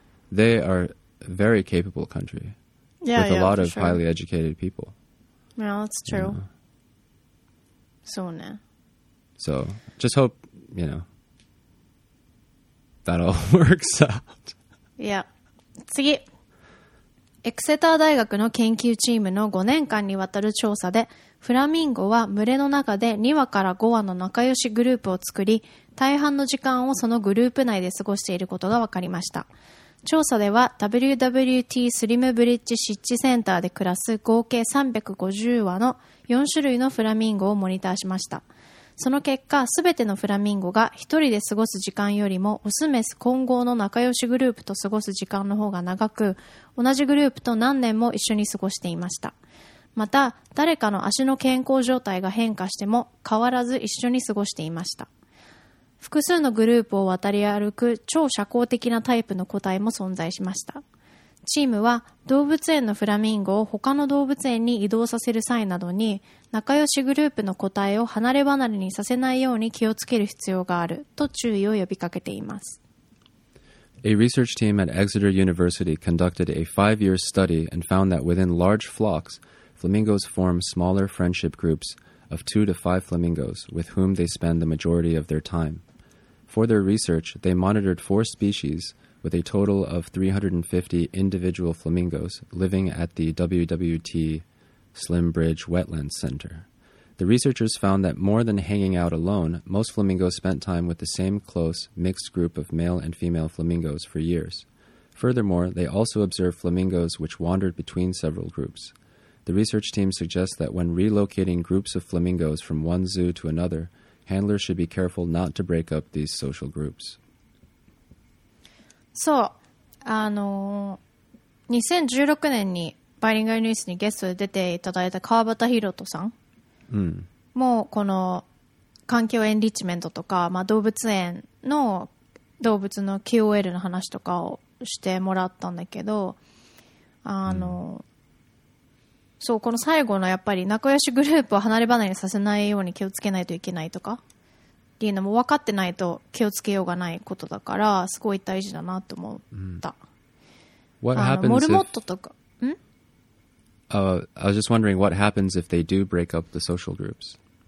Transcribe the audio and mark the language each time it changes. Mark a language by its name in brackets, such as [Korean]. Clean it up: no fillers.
[English] They are a very capable country. Yeah, with a lot of sure. highly educated people. Yeah, that's true. Yeah. So, nah. So, just hope, you know, that all works out. Yeah. [Japanese] 次。エクセター大学の研究チームの5年間にわたる調査で、フラミンゴは群れの中で2羽から5羽の仲良しグループを作り、大半の時間をそのグループ内で過ごしていることが分かりました。調査では WWT スリムブリッジ湿地センターで暮らす合計350羽の4種類のフラミンゴをモニターしました。その結果、すべてのフラミンゴが一人で過ごす時間よりもオスメス混合の仲良しグループと過ごす時間の方が長く、同じグループと何年も一緒に過ごしていました。また誰かの足の健康状態が変化しても変わらず一緒に過ごしていました。複数のグループを渡り歩く超社交的なタイプの個体も存在しました。チームは動物園のフラミンゴを他の動物園に移動させる際などに、仲良しグループの個体を離れ離れにさせないように気をつける必要があると注意を呼びかけています。 [English] A research team at Exeter University conducted a 5-year study and found that within large flocks, flamingos form smaller friendship groups of 2 to 5 flamingos with whom they spend the majority of their time. For their research, they monitored 4 species with a total of 350 individual flamingos living at the WWT Slim Bridge Wetlands Center. The researchers found that more than hanging out alone, most flamingos spent time with the same close, mixed group of male and female flamingos for years. Furthermore, they also observed flamingos which wandered between several groups. The research team suggests that when relocating groups of flamingos from one zoo to another, handlers should be careful not to break up these social groups. [Japanese] そう、2016年にバイリンガルニュースにゲストで出ていただいた川端ひろとさんもこの環境エンリッチメントとか、まあ、動物園の動物の QOL の話とかをしてもらったんだけど、そう、この最後のやっぱり仲良しグループを離れ離れにさせないように気をつけないといけないとかっていうのも分かってないと気をつけようがないことだから、すごい大事だなと思った。 [English] What happens [Japanese] モルモットとか、 [English] I was just wondering what happens if they do break up the social groups.